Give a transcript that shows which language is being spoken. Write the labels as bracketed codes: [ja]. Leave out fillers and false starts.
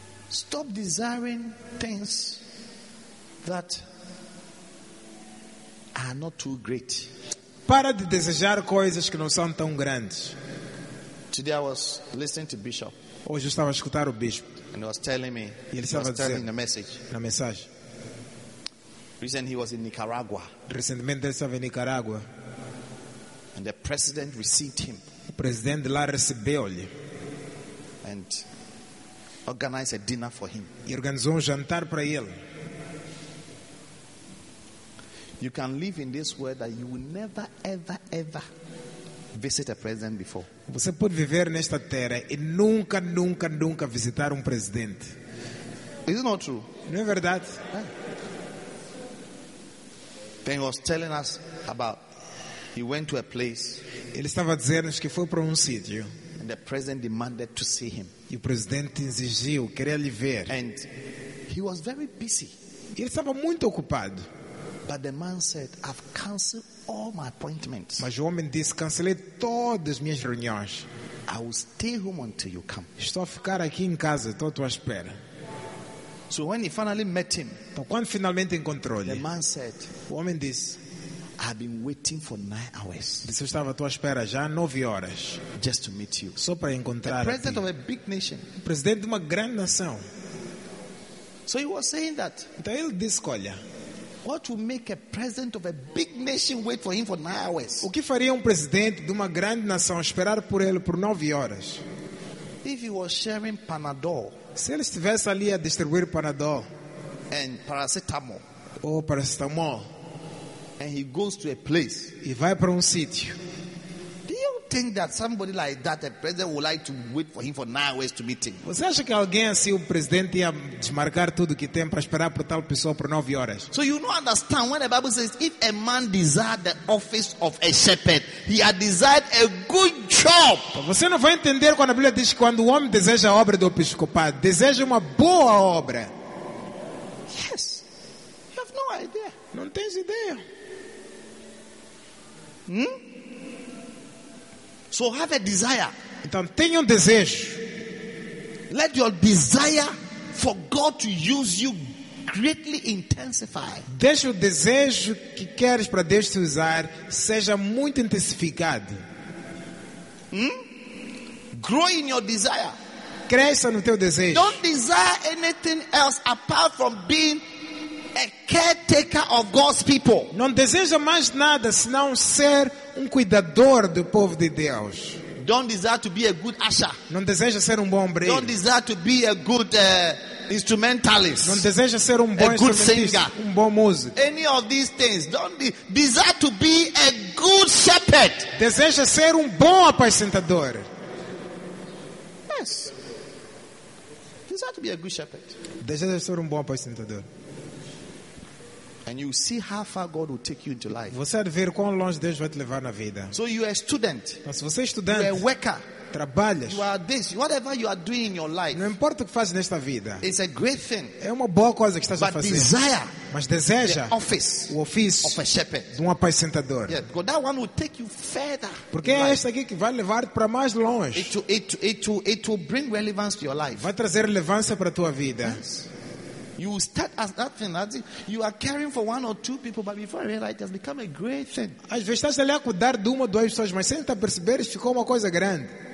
[en] Stop desiring things that are not too great. [pt] Para de desejar coisas que não são tão grandes. [en] Today I was listening to Bishop. [pt] Hoje eu estava a escutar o bispo. [en] And he was telling me. [pt] E ele estava a dizer. [en] Telling the message. [pt] Na mensagem. [en] Recently he was in Nicaragua. [pt] Recentemente ele estava em Nicaragua. [en] And the president received him. [pt] O presidente lá recebeu-lhe. [en] And organize a dinner for him. [pt] E organizou jantar para ele. [en] You can live in this world that you will never, ever, ever visit a president before. [pt] Você pode viver nesta terra e nunca, nunca, nunca visitar presidente. [en] Is it not true? [pt] Não é verdade? [en] Then he was telling us about he went to a place. [pt] Ele estava dizendo que foi para sítio. [en] And the president demanded to see him. [pt] E o presidente exigiu, queria lhe ver. [en] And he was very busy. [pt] Ele estava muito ocupado. [en] But the man said, I've canceled all my appointments. [pt] Mas o homem disse, cancelei todas as minhas reuniões. [en] I will stay home until you come. [pt] Estou a ficar aqui em casa, estou à tua espera. [en] So when he finally met him, [pt] então, quando finalmente encontrou-lhe, [en] the man said, [pt] o homem disse, [en] I've been waiting for 9 hours. [pt] Disse, eu estava à tua espera já 9 horas. [en] Just to meet you. [pt] Só para encontrar-te. [en] The president of a big nation. [pt] O presidente de uma grande nação. [en] So he was saying that. [pt] Então ele disse, olha, [en] what would make a president of a big nation wait for him for 9 hours? [pt] O que faria presidente de uma grande nação esperar por ele por 9 horas? [en] If he was sharing Panadol. [pt] Se ele estivesse ali a distribuir Panadol. [en] And paracetamol. [pt] Ou paracetamol. [en] And he goes to a place. [pt] E vai para sítio. [en] Do you think that somebody like that, a president, would like to wait for him for 9 hours to meet him? [pt] Você acha que alguém assim, o presidente, ia desmarcar tudo que tem para esperar por tal pessoa por 9 horas? [en] So you don't understand when the Bible says, if a man desired the office of a shepherd, he had desired a good job. [pt] Você não vai entender quando a Bíblia diz que quando o homem deseja a obra do episcopado, deseja uma boa obra. [en] Yes. You have no idea. [pt] Não tens ideia. Hmm? [en] So have a desire. [pt] Então tenha desejo. [en] Let your desire for God to use you greatly intensify. [pt] Deixe o desejo que queres para Deus te usar seja muito intensificado. [en] Hmm? Grow in your desire. [pt] Cresça no teu desejo. [en] Don't desire anything else apart from being a caretaker of God's people. [pt] Não deseja mais nada senão ser cuidador do povo de Deus. [en] Don't desire to be a good usher. [pt] Não deseja ser bom obreiro. [en] Don't desire to be a good instrumentalist, [pt] não deseja ser [en] a good singer, [pt] um bom músico. [en] Any of these things. Don't desire to be a good shepherd. [pt] Deseja ser bom apacentador. [en] Yes. Desire to be a good shepherd. [pt] Deseja ser bom apacentador. [en] And you see how far God will take you into life. [pt] Você vai ver quão longe Deus vai te levar na vida. [en] So you are a student. [pt] Mas você é estudante. [en] You are a worker. [pt] Trabalhas. [en] You are this. Whatever you are doing in your life. [pt] Não importa o que fazes nesta vida. [en] It's a great thing. [pt] É uma boa coisa que estás [en] but [pt] a fazer. [en] But desire. [pt] Mas deseja. [en] The office. [pt] O ofício. [en] Of a shepherd. [pt] De apacentador. [en] Yeah, because that one will take you further. [pt] Porque é esta aqui que vai levar-te para mais longe. [en] It will bring relevance to your life. [pt] Vai trazer relevância para a tua vida. [en] Yes. You start as that thing, as you are caring for one or two people, but before I realize, it has become a great thing. [pt] Às vezes estás ali a cuidar de uma ou duas pessoas, mas sem te perceber, isso ficou uma coisa grande.